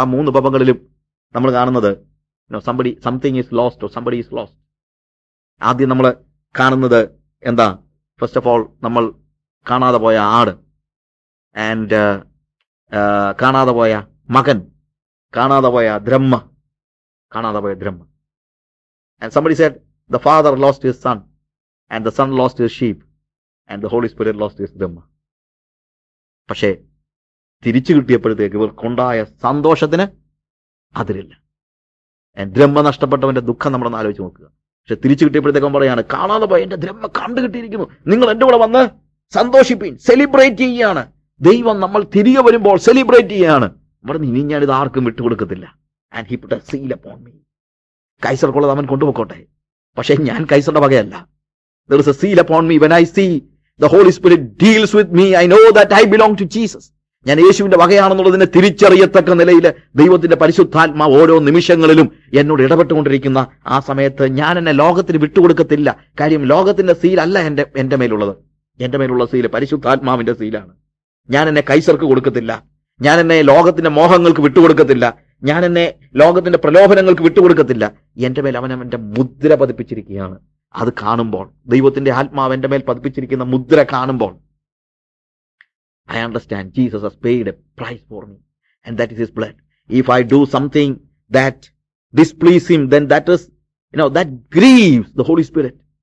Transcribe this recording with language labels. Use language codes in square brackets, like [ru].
[ml] ആ മൂന്ന് ഉപമകളിലും നമ്മൾ കാണുന്നത് [en] somebody is lost. [ml] ആദ്യം നമ്മൾ കാണുന്നത് എന്താ? ഫസ്റ്റ് ഓഫ് ഓൾ നമ്മൾ കാണാതെ പോയ ആട്, ആൻഡ് കാണാതെ പോയ മകൻ, കാണാതെ പോയ ബ്രഹ്മ. [en] And somebody said the father lost his son and the son lost his sheep and the holy spirit lost his Brahma. [ml] പക്ഷേ തിരിച്ചു കിട്ടിയപ്പോഴത്തേക്ക് ഇവർക്കുണ്ടായ സന്തോഷത്തിന് അതിരില്ല. ബ്രഹ്മ നഷ്ടപ്പെട്ടവന്റെ ദുഃഖം നമ്മളൊന്ന് ആലോചിച്ച് നോക്കുക. പക്ഷെ തിരിച്ചു കിട്ടിയപ്പോഴത്തേക്കും പറയാണ്, കാണാതെ പോയ എന്റെ ബ്രഹ്മ കണ്ടു കിട്ടിയിരിക്കുന്നു, നിങ്ങൾ എന്റെ കൂടെ വന്ന് സന്തോഷിപ്പീൻ, സെലിബ്രേറ്റ് ചെയ്യുകയാണ്. ദൈവം നമ്മൾ തിരികെ വരുമ്പോൾ സെലിബ്രേറ്റ് ചെയ്യുകയാണ്. ഇവിടെ ഇനി ഞാൻ ഇത് ആർക്കും വിട്ടുകൊടുക്കത്തില്ല. [en] And he put a seal upon me. [ml] കൈസർക്കുള്ളത് അവൻ കൊണ്ടുപോയിക്കോട്ടെ, പക്ഷേ ഞാൻ കൈസറിന്റെ വകയല്ല. [en] There is a seal upon me. When I see the holy spirit deals with me, I know that I belong to Jesus. [ml] ഞാൻ യേശുവിന്റെ വകയാണെന്നുള്ളതിനെ തിരിച്ചറിയത്തക്ക നിലയിൽ ദൈവത്തിന്റെ പരിശുദ്ധാത്മാ ഓരോ നിമിഷങ്ങളിലും എന്നോട് ഇടപെട്ടുകൊണ്ടിരിക്കുന്ന ആ സമയത്ത് ഞാൻ എന്നെ ലോകത്തിന് വിട്ടുകൊടുക്കത്തില്ല. കാര്യം ലോകത്തിന്റെ സീൽ അല്ല എന്റെ മേലുള്ളത്. എന്റെ മേലുള്ള സീൽ പരിശുദ്ധാത്മാവിന്റെ സീലാണ്. ഞാൻ എന്നെ കൈസർക്ക് കൊടുക്കത്തില്ല. ഞാൻ എന്നെ ലോകത്തിന്റെ മോഹങ്ങൾക്ക് വിട്ടുകൊടുക്കത്തില്ല. ഞാൻ എന്നെ ലോകത്തിന്റെ പ്രലോഭനങ്ങൾക്ക് വിട്ടുകൊടുക്കത്തില്ല. എന്റെ മേൽ അവൻ എന്റെ മുദ്ര പതിപ്പിച്ചിരിക്കുകയാണ്. അത് കാണുമ്പോൾ, ദൈവത്തിന്റെ ആത്മാവ് എന്റെ മേൽ പതിപ്പിച്ചിരിക്കുന്ന മുദ്ര കാണുമ്പോൾ, [en] I understand Jesus has paid a price for me and that is his blood. If I do something that displeases him, then that is, you know, that grieves the Holy Spirit.